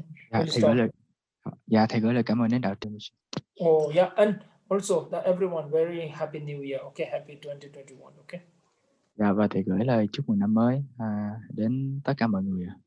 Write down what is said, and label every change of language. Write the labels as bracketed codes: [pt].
[vi] Thầy gửi lời cảm ơn đến đạo trưởng. [en] Oh yeah, and also that everyone very happy new year. Okay, happy 2021. Okay. [vi] Dạ, và thầy gửi lời chúc mừng năm mới đến tất cả mọi người.